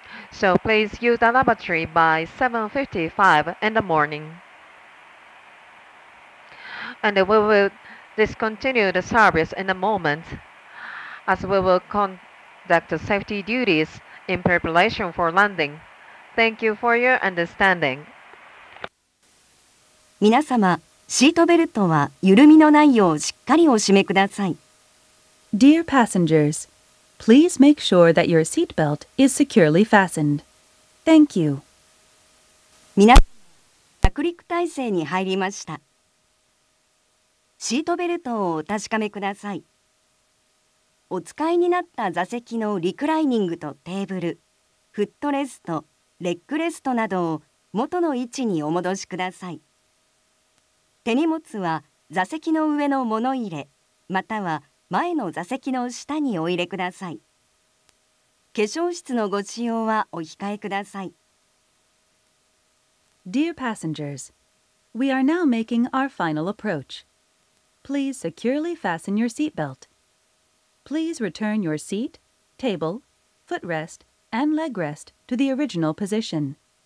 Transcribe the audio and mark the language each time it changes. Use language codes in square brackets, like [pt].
[en] So please use the lavatory by 7:55 in the morning. And we will discontinue the service in a moment as we will conduct the safety duties in preparation for landing. Thank you for your understanding. [ja] 皆様、シートベルトは緩みのないようしっかりお締めください。 [en] Dear passengers, please make sure that your seat belt is securely fastened. Thank you. [ja] 皆様、着陸態勢に入りました。シートベルトをお確かめください。お使いになった座席のリクライニングとテーブル、フットレスト、レッグレストなどを元の位置にお戻しください。手荷物は座席の上の物入れ、または前の座席の下にお入れください。化粧室のご使用はお控えください。 [en] Dear passengers, we are now making our final approach. Please securely fasten your seat belt. Please return your seat, table, footrest, and legrest to the original position.